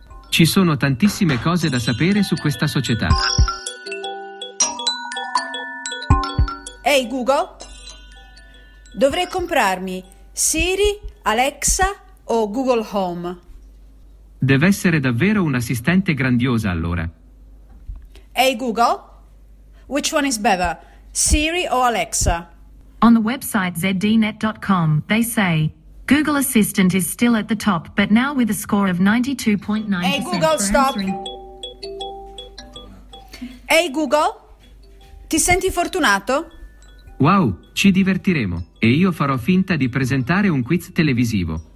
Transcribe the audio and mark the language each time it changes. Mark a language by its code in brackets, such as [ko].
[it] Ci sono tantissime cose da sapere su questa società. Ehi Google, dovrei comprarmi Siri, Alexa o Google Home? Deve essere davvero un assistente grandiosa allora. [en] Ehi Google, which one is better, Siri o Alexa? On the website zdnet.com, they say Google Assistant is still at the top, but now with a score of 92.9%. [it] Ehi Google, stop! Ehi Google, ti senti fortunato? Wow, ci divertiremo. E io farò finta di presentare un quiz televisivo.